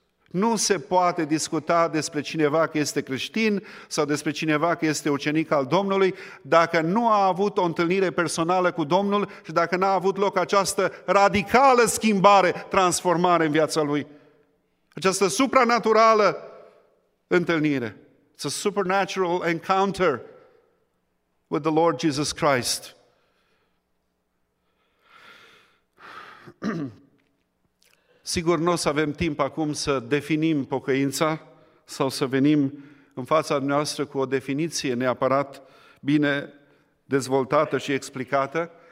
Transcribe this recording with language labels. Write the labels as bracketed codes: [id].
[ro] Nu se poate discuta despre cineva că este creștin sau despre cineva că este ucenic al Domnului dacă nu a avut o întâlnire personală cu Domnul și dacă n-a avut loc această radicală schimbare, transformare în viața lui. Această supranaturală întâlnire. [en] It's a supernatural encounter with the Lord Jesus Christ. [ro] Sigur, nu o să avem timp acum să definim pocăința sau să venim în fața noastră cu o definiție neapărat bine dezvoltată și explicată.